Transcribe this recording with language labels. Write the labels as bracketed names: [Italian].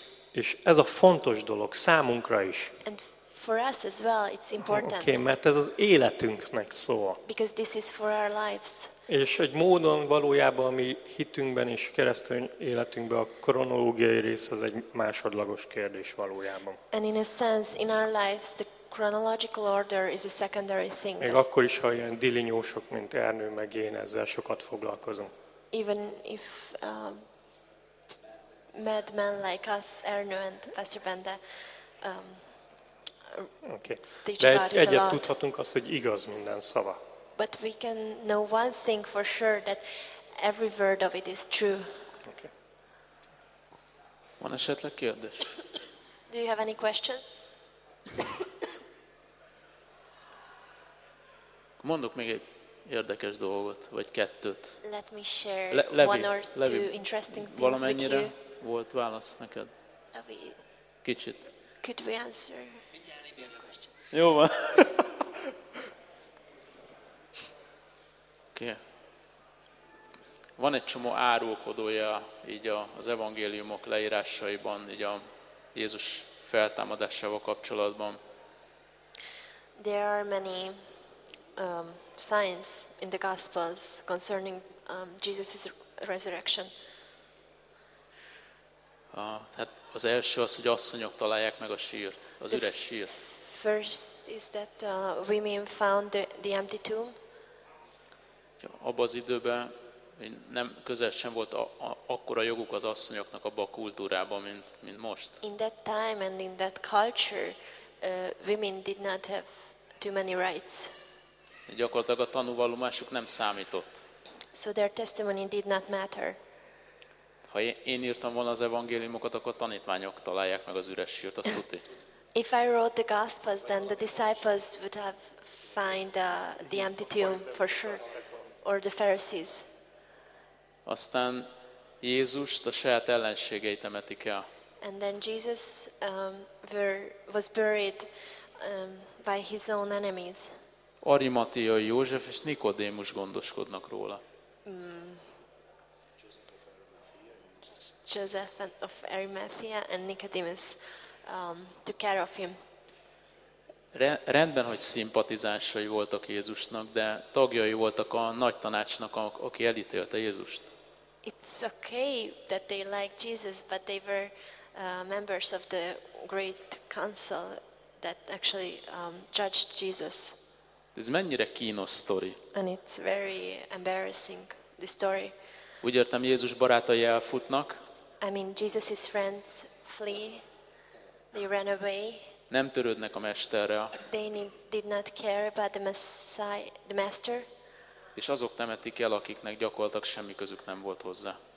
[Hungarian] És ez a fontos dolog számunkra is. [English] And for us as well, it's important. [Hungarian] Okay, mert ez az életünknek szól. [English] Because this is for our lives. [Hungarian] És egy módon valójában a mi hitünkben és keresztény életünkben a kronológiai rész az egy másodlagos kérdés valójában. [English] And in a sense, in our lives, the chronological order is a secondary thing. [Hungarian] Még akkor is, ha ilyen dilinyósok, mint Ernő meg én, ezzel sokat foglalkozunk. [English] Even if mad men like us, Ernő and Pastor Bende, okay. [Hungarian] De egyet tudhatunk azt, hogy igaz minden szava. [English] But we can know one thing for sure, that every word of it is true. Okay. [Hungarian] Van esetleg kérdés? [English] Do you have any questions? [Hungarian] Mondok még egy érdekes dolgot, vagy kettőt. [English] Let me share one or two interesting things with you. [Hungarian] Valamennyire volt válasz neked? Levi, kicsit. [English] Could we answer? [Hungarian] Jó van. [English] Okay. [Hungarian] Van egy csomó árulkodója így az evangéliumok leírásaiban, így a Jézus feltámadásával kapcsolatban. [English] There are many signs in the Gospels concerning Jesus' resurrection. [Hungarian] Tehát az első az, hogy asszonyok találják meg a sírt, az üres sírt. [English] First is that women found the empty tomb. [Hungarian] Abban az időben nem közel sem volt akkora joguk az asszonyoknak abban a kultúrában, mint most. [English] In that time and in that culture, women did not have too many rights. [Hungarian] Gyakorlatilag a tanúvallomásuk nem számított. [English] So their testimony did not matter. [Hungarian] Ha én írtam volna az evangéliumokat, akkor a tanítványok találják meg az üres sírt, azt tudti. [English] If I wrote the Gospels, then the disciples would have found the empty tomb for sure, or the Pharisees. [Hungarian] Aztán Jézust a saját ellenségei temetik el. [English] And then Jesus was buried by his own enemies. [Hungarian] Arimatea, József és Nikodémus gondoskodnak róla. [English] Joseph of Arimathea and Nicodemus took care of him. [Hungarian] Rendben, hogy szimpatizánsai voltak Jézusnak, de tagjai voltak a nagy tanácsnak, aki elítélte Jézust. [English] It's okay that they liked Jesus, but they were members of the great council that actually judged Jesus. [Hungarian] Ez mennyire kínos sztori. [English] And it's very embarrassing, the story. [Hungarian] Úgy értem, Jézus barátai elfutnak. [English] I mean, Jesus' friends flee, they ran away. [Hungarian] Nem törődnek a mesterrel. [English] They did not care about the Messiah, the master. [Hungarian] És azok temetik el, akiknek gyakorlatilag semmi közük nem volt hozzá.